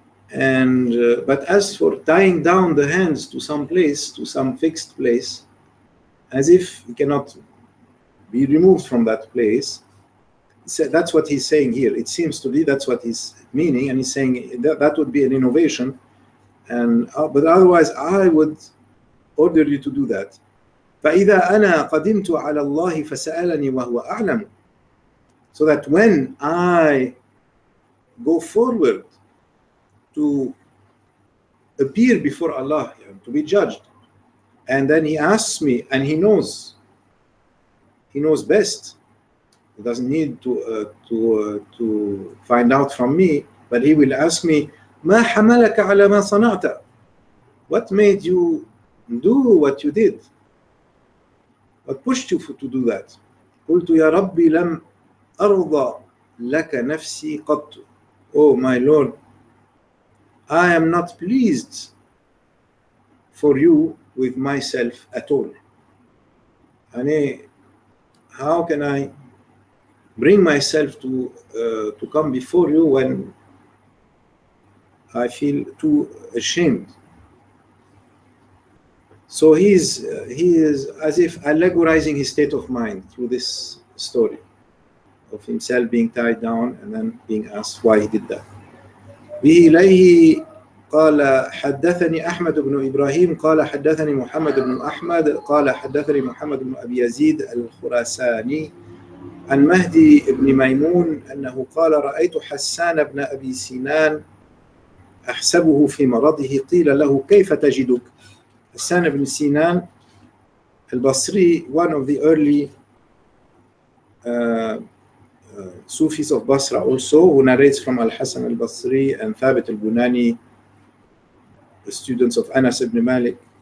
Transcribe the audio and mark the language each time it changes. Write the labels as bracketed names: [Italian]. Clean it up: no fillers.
[English] But as for tying down the hands to some place, to some fixed place, as if he cannot be removed from that place, so that's what he's saying here. It seems to be that's what he's meaning, and he's saying that would be an innovation and but otherwise I would order you to do that. [Arabic] فإذا أنا قدمت على الله فسألني وهو أعلم. [English] So that when I go forward to appear before Allah, to be judged, and then he asks me, and he knows best. He doesn't need to find out from me, but he will ask me, [Arabic] ما حملك على ما صنعت? [English] What made you do what you did? What pushed you to do that? [Arabic] قلت يا ربي لم أرضى لك نفسي قط. [English] Oh my Lord, I am not pleased for you with myself at all. يعني how can I bring myself to come before you when I feel too ashamed? So he is as if allegorizing his state of mind through this story of himself being tied down and then being asked why he did that. [Arabic] به إليه قال حدثني أحمد بن إبراهيم قال حدثني محمد بن أحمد قال حدثني محمد بن أبي يزيد الخراساني عن مهدي بن ميمون أنه قال رأيت حسان بن أبي سنان أحسبه في مرضه قيل له كيف تجدك. [English] حسان بن سنان البصري, one of the early Sufis of Basra also, who narrates from Al-Hasan al-Basri and Thabit al-Bunani, the students of Anas ibn Malik.